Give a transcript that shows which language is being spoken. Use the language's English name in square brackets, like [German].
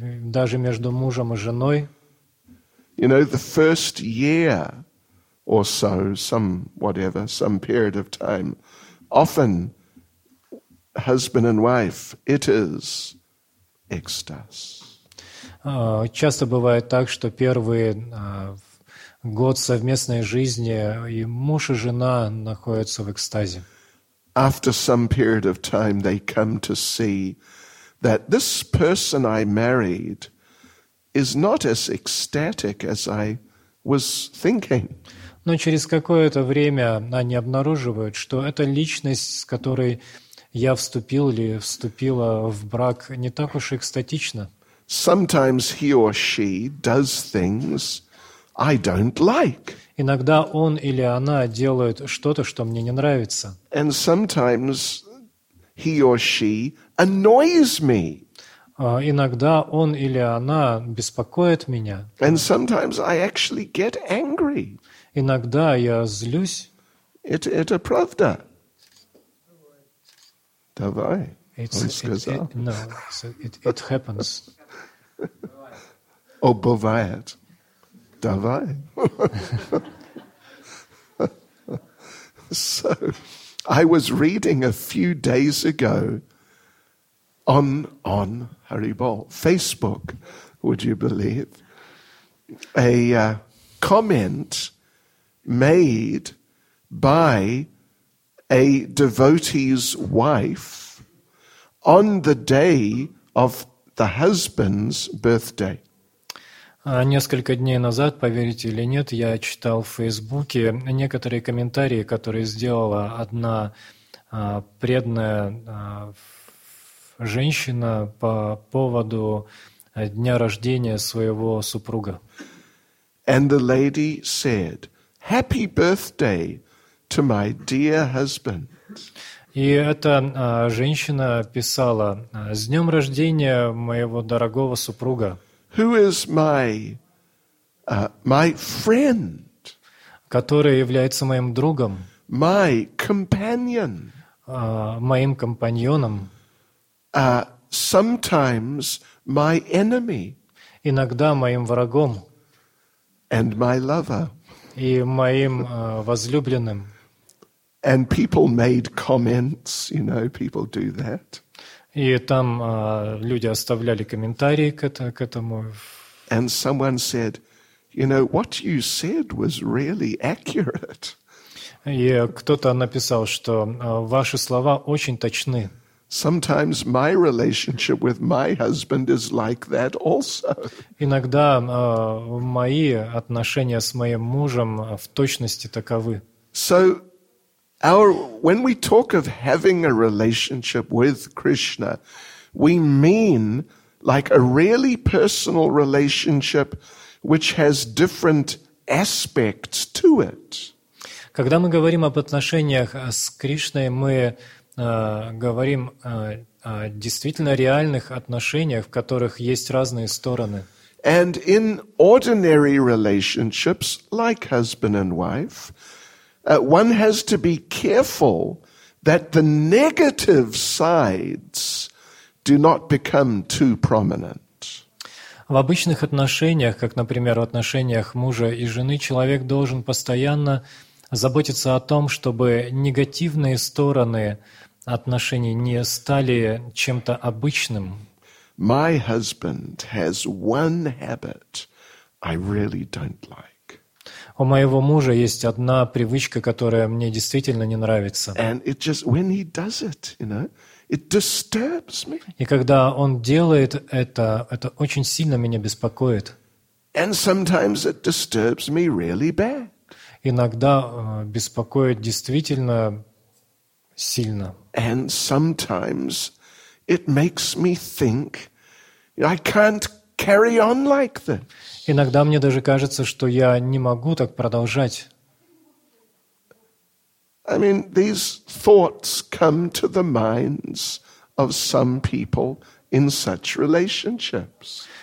[Russian] Даже между мужем и женой. [English] You know, the first year or so, some period of time, often husband and wife, it is ecstasy. [Russian] Часто бывает так, что первые год совместной жизни и муж и жена находятся в экстазе. [English] After some period of time, they come to see that this person I married is not as ecstatic as I was thinking. [Russian] Но через какое-то время они обнаруживают, что эта личность, с которой я вступил или вступила в брак, не так уж экстатична. [English] Sometimes he or she does things I don't like. [Russian] Иногда он или она делает что-то, что мне не нравится. [English] And sometimes he or she annoys me. [Russian] Иногда он или она беспокоит меня. [English] And sometimes I actually get angry. [Russian] Иногда я злюсь. Это правда. Давай. [English] It happens. [Russian] О, бывает. Давай. [English] So, I was reading a few days ago on Haribol, Facebook, would you believe, a comment made by a devotee's wife on the day of the husband's birthday. [Russian] Несколько дней назад, поверите или нет, я читал в Фейсбуке некоторые комментарии, которые сделала одна преданная женщина по поводу дня рождения своего супруга. [English] And the lady said, "Happy birthday to my dear husband." [Russian] И эта женщина писала: "С днем рождения моего дорогого супруга." [English] Who is my friend? [Russian] Который является моим другом. [English] My companion. [Russian] Моим компаньоном. [English] Sometimes my enemy. [Russian] Иногда моим врагом. [English] And my lover. [Russian] И моим возлюбленным. [English] And people made comments, you know, people do that. [Russian] И там люди оставляли комментарии к этому. [English] And someone said, you know, what you said was really accurate. [Russian] И кто-то написал, что ваши слова очень точны. [English] Sometimes my relationship with my husband is like that also. [Russian] Иногда мои отношения с моим мужем в точности таковы. [English] So our when we talk of having a relationship with Krishna, we mean like a really personal relationship which has different aspects to it. [Russian] Когда мы говорим об отношениях с Кришной, мы говорим о действительно реальных отношениях, в которых есть разные стороны. [English] And in ordinary relationships, like husband and wife, one has to be careful that the negative sides do not become too prominent. [Russian] В обычных отношениях, как, например, в отношениях мужа и жены, человек должен постоянно заботиться о том, чтобы негативные стороны отношений не стали чем-то обычным. [English] My husband has one habit I really don't like. [Russian] У моего мужа есть одна привычка, которая мне действительно не нравится. [English] And it just when he does it, you know, it disturbs me. [Russian] И когда он делает это очень сильно меня беспокоит. [English] And sometimes it disturbs me really bad. [Russian] Иногда беспокоит действительно сильно. [English] And sometimes it makes me think I can't carry on like this. [Russian] Иногда мне даже кажется, что я не могу так продолжать. [English] I mean, these thoughts come to the minds of some people in such relationships.